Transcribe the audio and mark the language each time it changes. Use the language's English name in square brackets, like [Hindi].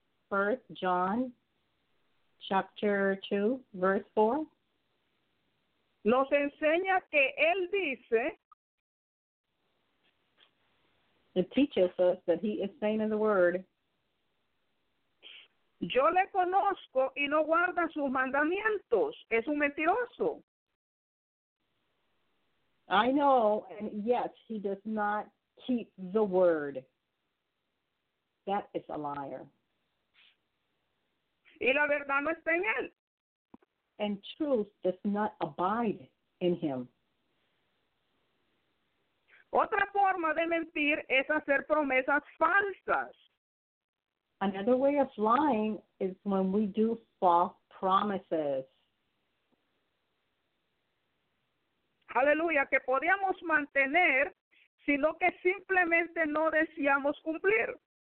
[English] First John chapter 2, verse 4. [Spanish] Nos enseña que él dice. [English] It teaches us that he is saying in the word. [Spanish] Yo le conozco y no guarda sus mandamientos. Es un mentiroso. [English] I know, and yet he does not keep the word. That is a liar. [Spanish] Y la verdad no está en él. [English] And truth does not abide in him. [Spanish] Otra forma de mentir es hacer promesas falsas. [English] Another way of lying is when we do false promises. [Spanish] Aleluya, que podíamos mantener, sino que simplemente no deseamos cumplir.